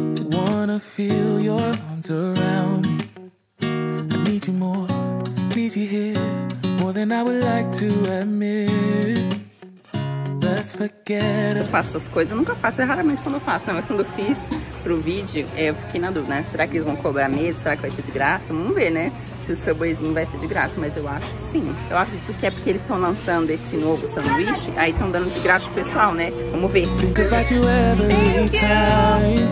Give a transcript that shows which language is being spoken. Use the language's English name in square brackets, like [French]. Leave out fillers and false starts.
[English] Wanna feel your arms around me. I need you more, need you here, more than I would like to admit. Let's forget. [Portuguese] Eu faço essas coisas, eu nunca faço, é raramente quando eu faço, né? Mas quando eu fiz pro vídeo, eu fiquei na dúvida, né? Será que eles vão cobrar mesmo? Será que vai ser de graça? Vamos ver, né? Se o Subwayzinho vai ser de graça, mas eu acho que sim. Eu acho que é porque eles estão lançando esse novo sanduíche, aí estão dando de graça pro pessoal, né? Vamos ver. [English] Think about you every time.